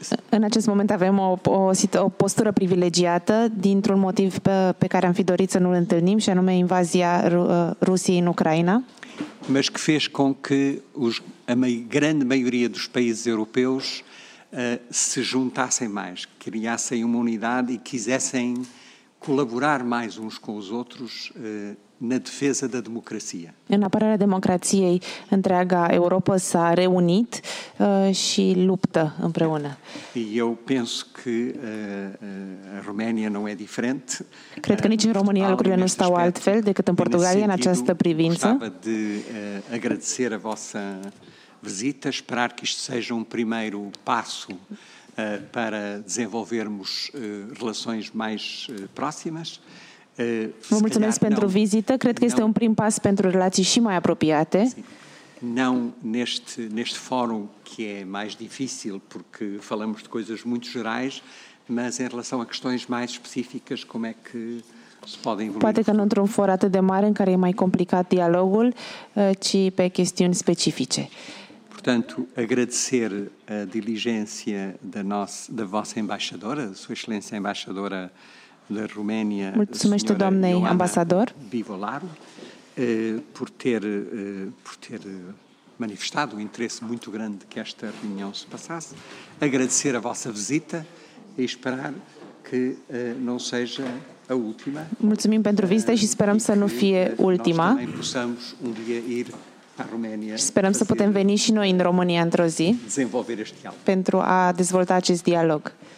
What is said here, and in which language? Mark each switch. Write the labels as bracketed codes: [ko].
[ro] În acest moment avem o postură privilegiată dintr-un motiv pe care am fi dorit să nu-l întâlnim, și anume invazia Rusiei în Ucraina. [pt] Mas que fez com que grande maioria dos países europeus se juntassem mais, criassem uma unidade e quisessem colaborar mais uns com os outros na defesa da democracia. [ro] În apărarea democrației, întreaga Europa s-a reunit și luptă împreună. [pt] E eu penso que a România não é diferente. [ro] Cred că nici în România lucrurile nu stau altfel decât în Portugalia în această privință. [pt] Gostava de agradecer a vossa visita, esperar que isto seja um primeiro passo para desenvolvermos relações mais próximas. [ro] Vă mulțumesc pentru vizită. Cred că este un prim pas pentru relații și mai apropiate. [pt] Não neste fórum, que é mais difícil porque falamos de coisas muito gerais, mas em relação a questões mais específicas, como é que se pode evoluir? [ro] Poate că nu într-un for atât de mare în care e mai complicat dialogul, ci pe chestiuni specifice. [pt] Portanto, agradecer a diligência da vossa embaixadora, Sua Excelência Embaixadora da Romênia, [ro] doamnei ambasador [pt] Bivolaru, por ter manifestado um interesse muito grande que esta reunião se passasse. Agradecer a vossa visita e esperar que não seja a última. [ro] Mulțumim pentru vizită și sperăm să nu fie ultima. [pt] Nós também possamos um dia ir à Romênia. [ro] Sperăm să putem veni și noi în România într-o zi. Dezvolta [pt] este diálogo. [ro] Pentru a dezvolta acest dialog.